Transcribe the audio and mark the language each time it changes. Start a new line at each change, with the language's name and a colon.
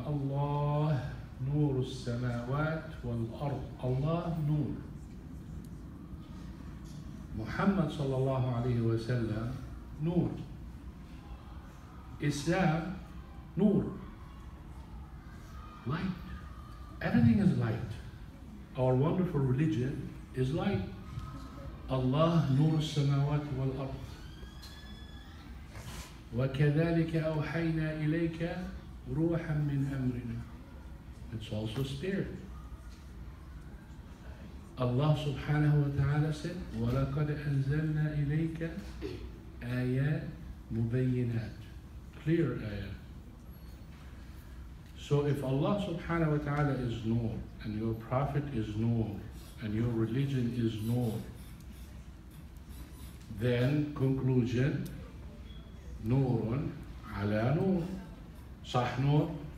Arabic: الله نور السماوات والأرض، الله نور. محمد صلى الله عليه وسلم نور، إسلام نور،
English: light. Everything is light. Our wonderful religion is light.
Arabic: الله نور السماوات والأرض. وكذلك أوحينا إليك روحا من أمرنا.
English: It's also spirit.
Arabic: الله سبحانه وتعالى
English: said
Arabic: ولقد أنزلنا إليك آيات مبينات,
English: clear
Arabic: آيات.
English: So if Allah subhanahu wa ta'ala is Noor, and your Prophet is Noor, and your religion is Noor, then conclusion, Noorun ala Noor.
Arabic: صح
English: Noor?